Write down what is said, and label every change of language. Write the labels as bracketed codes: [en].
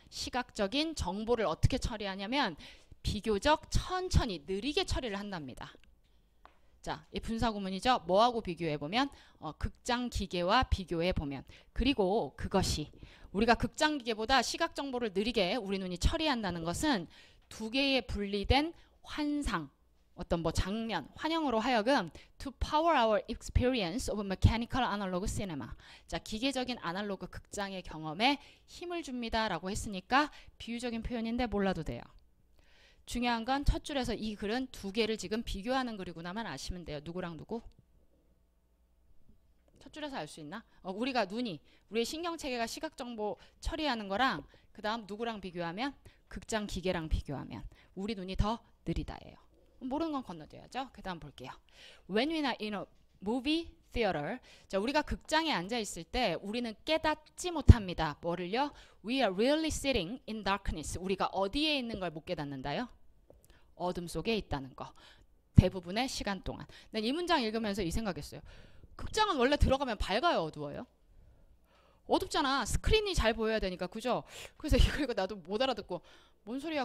[ko] 시각적인 정보를 어떻게 처리하냐면 비교적 천천히 느리게 처리를 한답니다. 자, 이 분사구문이죠. 뭐하고 비교해보면? 극장기계와 비교해보면. 그리고 그것이 우리가 극장기계보다 시각정보를 느리게 우리 눈이 처리한다는 것은 두 개의 분리된 환상. 어떤 뭐 장면, 환영으로 하여금 [en] to power our experience of mechanical analog cinema. [ko] 자, 기계적인 아날로그 극장의 경험에 힘을 줍니다 라고 했으니까 비유적인 표현인데 몰라도 돼요. 중요한 건 첫 줄에서 이 글은 두 개를 지금 비교하는 글이구나만 아시면 돼요. 누구랑 누구? 첫 줄에서 알 수 있나? 우리가 눈이, 우리의 신경체계가 시각정보 처리하는 거랑 그 다음 누구랑 비교하면? 극장 기계랑 비교하면 우리 눈이 더 느리다예요. 모르는 건 건너뛰어야죠. 그 다음 볼게요. [en] When we are in a movie theater. [ko] 자, 우리가 극장에 앉아있을 때 우리는 깨닫지 못합니다. 뭐를요? [en] We are really sitting in darkness. [ko] 우리가 어디에 있는 걸 못 깨닫는다요? 어둠 속에 있다는 거. 대부분의 시간 동안. 난 이 문장 읽으면서 이 생각했어요. 극장은 원래 들어가면 밝아요? 어두워요? 어둡잖아. 스크린이 잘 보여야 되니까. 그죠? 그래서 이거 나도 못 알아듣고 뭔 소리야?